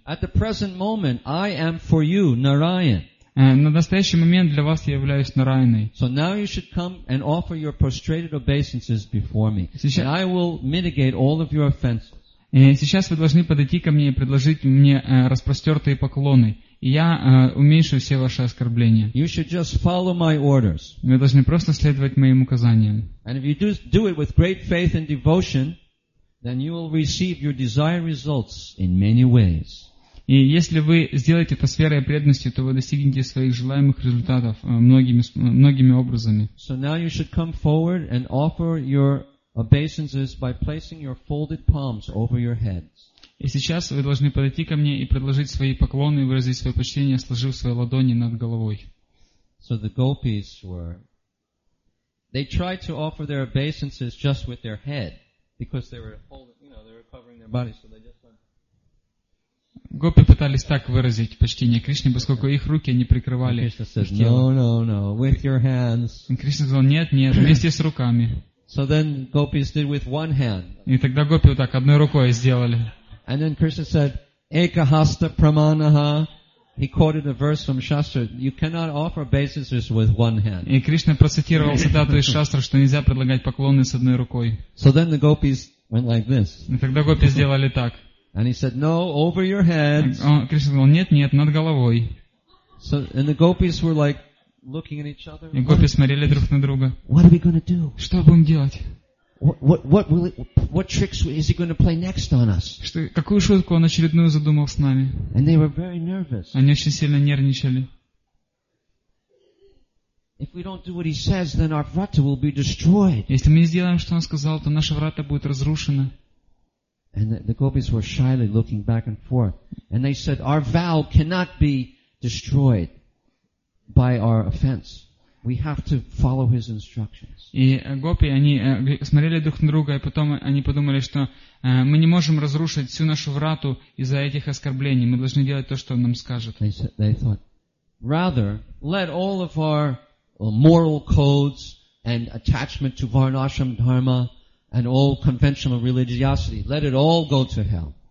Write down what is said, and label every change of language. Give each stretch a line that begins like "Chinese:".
English: At the present moment, I am for you, Narayan.
Russian: На настоящий момент для вас я являюсь Нарайной.
English: So now you should come and offer your prostrated obeisances before me. And I will mitigate all of your offenses.
Russian: И сейчас вы должны подойти ко мне и предложить мне распростертые поклоны. И я уменьшу все ваши оскорбления.
English: You should just follow my orders.
Russian: Вы должны просто следовать моим указаниям.
English: And if you do it with great faith and devotion, then you will receive your desired results in many ways.
Russian: И если вы сделаете это с верой и преданностью, то вы достигнете своих желаемых результатов многими образами.
English: So now you should come forward and offer your obeisances by placing your folded palms over your heads.
Russian: И сейчас вы должны подойти ко мне и предложить свои поклоны и выразить свое почтение, сложив свои ладони над головой.
English: So the gopis were—they tried to offer their obeisances just with their head because they were holding, you know, they were covering their bodies, so they just went.
Russian: Гопи пытались так выразить почтение Кришне, поскольку их руки не прикрывали.
English: No, with your hands.
Russian: Кришна сказал: "Нет, нет, вместе с руками".
English: So then gopis did with one hand.
Russian: И тогда гопи вот так одной рукой сделали.
English: And then Krishna said,
Sanskrit: "Ekahasta pramanaha
English: He quoted a verse from Shastra. You cannot offer obeisances with one hand.
Russian: И Кришна процитировал цитату из Шастры, что нельзя предлагать поклоны с одной рукой.
English: So then the gopis went like this.
Russian: Тогда гопи сделали так.
English: And he said, "No, over your head."
Russian: Кришна сказал, нет, нет, над головой.
English: So and the gopis were like looking at each other.
Russian: И гопи смотрели друг на друга.
English: What are we going to do?
Russian: Что будем делать?
English: What tricks is he going to play next on us?
Russian: Что, какую шутку он очередную задумал с нами?
English: And they were very nervous.
Russian: Они очень сильно нервничали.
English: If we don't do what he says, then our vrata will be destroyed.
Russian: Если мы не сделаем, что он сказал, то наша врата будет разрушена.
English: And the gopis were shyly looking back and forth, and they said, "Our vow cannot be destroyed by our offense." We have to follow his instructions.
Russian: И гопи они смотрели друг на друга, и потом они подумали, что мы не можем разрушить всю нашу врату из-за этих оскорблений. Мы должны делать то, что он нам скажет.
English: They thought, rather, let all of our moral codes and attachment to Varnashram Dharma and all conventional religiosity, let it all go to hell.